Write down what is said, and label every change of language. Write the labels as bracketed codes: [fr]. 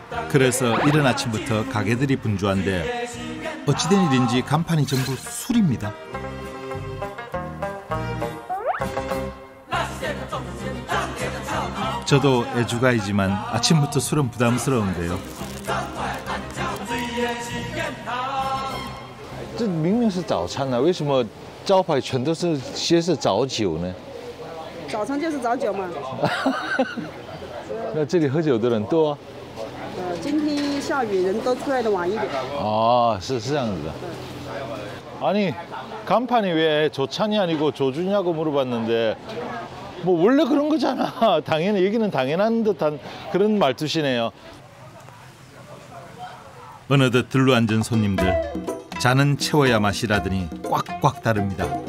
[ko] 그래서 이른 아침부터 가게들이 분주한데 어찌된 일인지 간판이 전부 술입니다. 저도 애주가이지만 아침부터 술은 부담스러운데요. [zh] 这明明是早餐呢，为什么招牌全都是写是早酒呢？早餐就是早酒嘛。那这里喝酒的人多。今天下雨，人都出来的晚一点。哦，是这样子的。 [ko] 아니 간판이 왜 조찬이 아니고 조준이라고 물어봤는데 뭐 원래 그런 거잖아. 당연히 여기는 당연한 듯한 그런 말투시네요. 어느덧 들러앉은 손님들. 잔은 채워야 맛이라더니 꽉꽉 다릅니다.